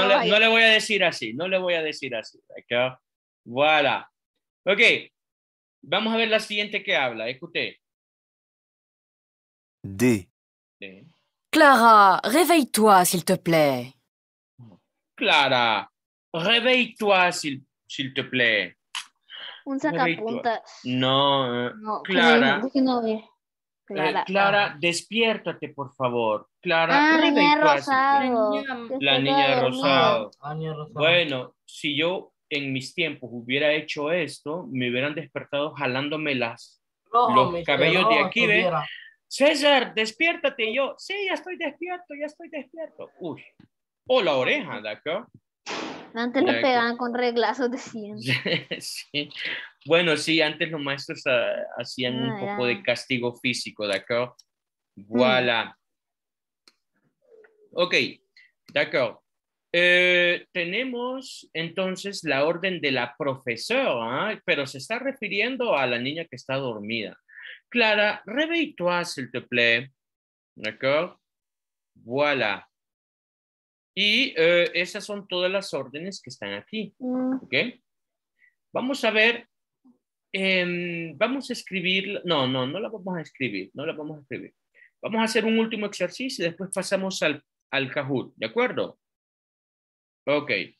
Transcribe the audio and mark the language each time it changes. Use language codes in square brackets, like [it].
[es] No le voy a decir así, no le voy a decir así. ¿Okay? Voilà. Ok. Vamos a ver la siguiente que habla. [fr] Écoute. D. Clara, réveille-toi, s'il te plaît. Clara, réveille-toi, s'il te plaît. [es] Un sacapuntas. No, no, Clara. Que no, Clara, despiértate, por favor. Clara, [fr] réveille-toi. [es] La niña de rosado. Rosado. Bueno, si yo... En mis tiempos hubiera hecho esto, me hubieran despertado jalándome los cabellos de aquí, ¿ves? César, despiértate. Y yo, sí, ya estoy despierto. Uy, O la oreja, ¿d'accord? Antes lo pegaban con reglazos de 100. Sí. Bueno, sí, antes los maestros hacían un poco de castigo físico, ¿d'accord? Voilà. Ok, d'accord. Tenemos entonces la orden de la profesora, ¿eh? Pero se está refiriendo a la niña que está dormida. [fr] Clara, réveille-toi, s'il te plaît. D'accord. Voilà. [es] Y esas son todas las órdenes que están aquí. Ok. Vamos a ver. Vamos a escribir. No la vamos a escribir. No la vamos a escribir. Vamos a hacer un último ejercicio y después pasamos al Kahoot. ¿De acuerdo? Ok.